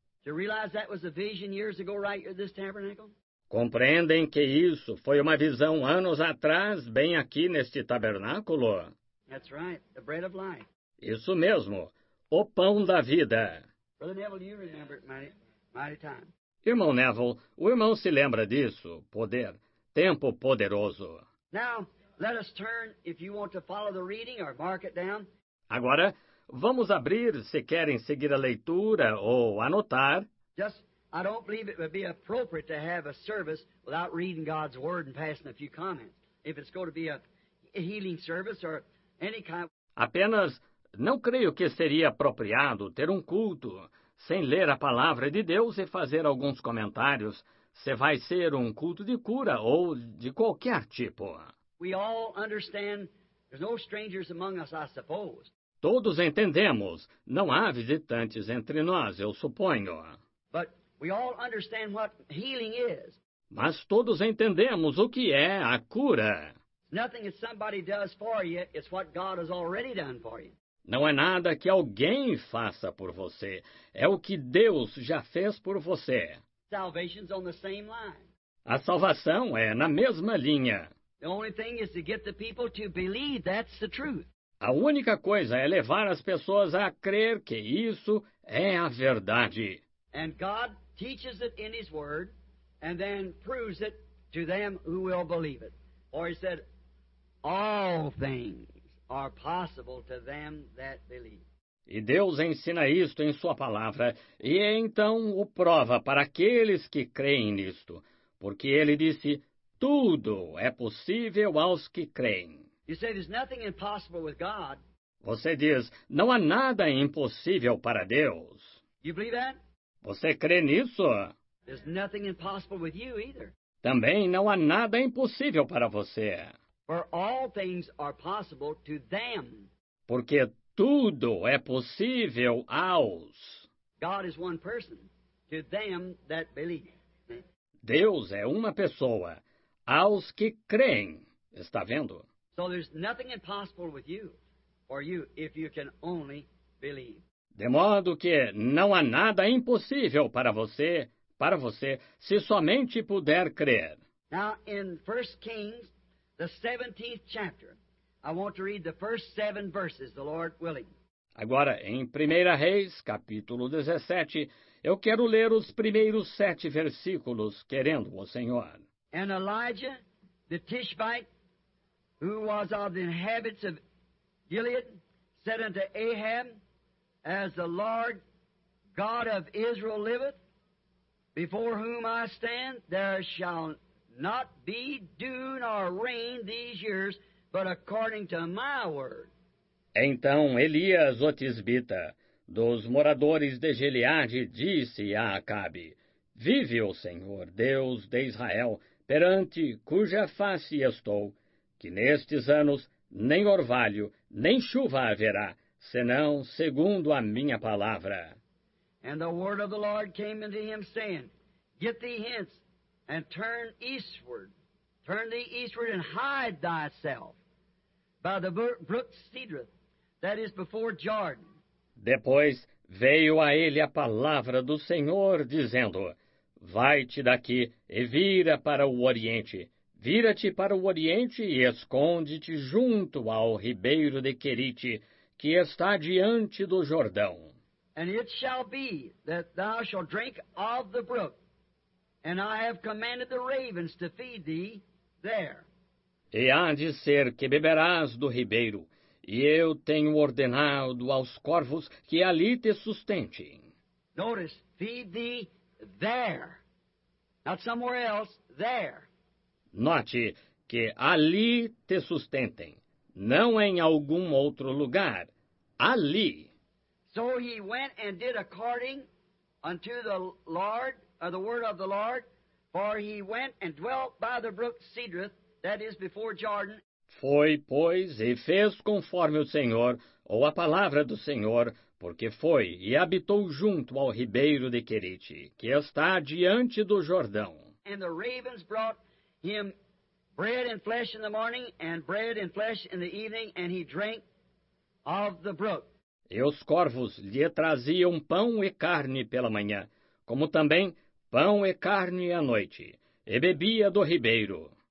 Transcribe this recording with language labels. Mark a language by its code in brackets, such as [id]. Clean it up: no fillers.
[en] To realize that was a vision years ago, right here, this tabernacle? [pt] Compreendem que isso foi uma visão anos atrás, bem aqui neste tabernáculo? [en] That's right, the bread of life. [pt] Isso mesmo, o pão da vida. [en] Brother Neville, you remember it mighty time. [pt] Irmão Neville, o irmão se lembra disso, poder, tempo poderoso. [en] Now, let us turn, if you want to follow the reading or mark it down. [pt] Agora, vamos abrir, se querem seguir a leitura ou anotar. [en] Just, I don't believe it would be appropriate to have a service without reading God's Word and passing a few comments. If it's going to be a healing service or any kind. [pt] Apenas, não creio que seria apropriado ter um culto sem ler a palavra de Deus e fazer alguns comentários se vai ser um culto de cura ou de qualquer tipo. [en] We all understand there's no strangers among us, I suppose. [pt] Todos entendemos. Não há visitantes entre nós, eu suponho. [en] But we all understand what healing is. [pt] Mas todos entendemos o que é a cura. [en] Nothing that somebody does for you, it's what God has already done for you. [pt] Não é nada que alguém faça por você. É o que Deus já fez por você. [en] Salvation's on the same line. [pt] A salvação é na mesma linha. [en] The only thing is to get the people to believe that's the truth. [pt] A única coisa é levar as pessoas a crer que isso é a verdade. [en] And God teaches it in his word and then proves it to them who will believe it. Or he said, all things are possible to them that believe. [pt] E Deus ensina isto em sua palavra e então o prova para aqueles que creem nisto. Porque ele disse, tudo é possível aos que creem. [en] You say there's nothing impossible with God. [pt] Você diz, não há nada impossível para Deus. [en] You believe that? [pt] Você crê nisso? [en] There's nothing impossible with you either. [pt] Também não há nada impossível para você. [en] For all things are possible to them. [pt] Porque tudo é possível aos. [en] God is one person to them that believe. [pt] Deus é uma pessoa aos que creem. Está vendo? [en] So there's nothing impossible with you, for you, if you can only believe. [pt] De modo que não há nada impossível para você, se somente puder crer. [en] Now, in 1 Kings, the 17th chapter, I want to read the first seven verses, the Lord willing. [pt] Agora, em 1 Reis, capítulo 17, eu quero ler os primeiros 7 versículos, querendo o Senhor. [en] And Elijah, the Tishbite, who was of the inhabitants of Gilead, said unto Ahab, As the Lord God of Israel liveth, before whom I stand, there shall not be dew nor rain these years, but according to my word. [pt] Então Elias, o Tisbita, dos moradores de Gileade, disse a Acabe, Vive o Senhor, Deus de Israel, perante cuja face estou, que nestes anos nem orvalho, nem chuva haverá, senão segundo a minha palavra. [en] And the word of the Lord came unto him, saying, Get thee hence, and turn thee eastward, and hide thyself by the brook Cedroth, that is before Jordan. [pt] Depois veio a ele a palavra do Senhor, dizendo, Vai-te daqui, e vira para o oriente. Vira-te para o oriente, e esconde-te junto ao ribeiro de Querite, que está diante do Jordão. [en] And it shall be that thou shalt drink of the brook, and I have commanded the ravens to feed thee there. [pt] E há de ser que beberás do ribeiro, e eu tenho ordenado aos corvos que ali te sustentem. [en] Notice, feed thee there, not somewhere else, there. [pt] Note que ali te sustentem, não em algum outro lugar, ali. [en] So he went and did according unto the Lord, or the word of the Lord, for he went and dwelt by the brook Cedroth, that is before Jordan. [pt] Foi, pois, e fez conforme o Senhor, ou a palavra do Senhor, porque foi e habitou junto ao ribeiro de Querite, que está diante do Jordão. [en] And the ravens brought him bread and flesh in the morning, and bread and flesh in the evening, and he drank of the brook. [pt] E os corvos lhe traziam pão e carne pela manhã, como também pão e carne à noite, e bebia do ribeiro.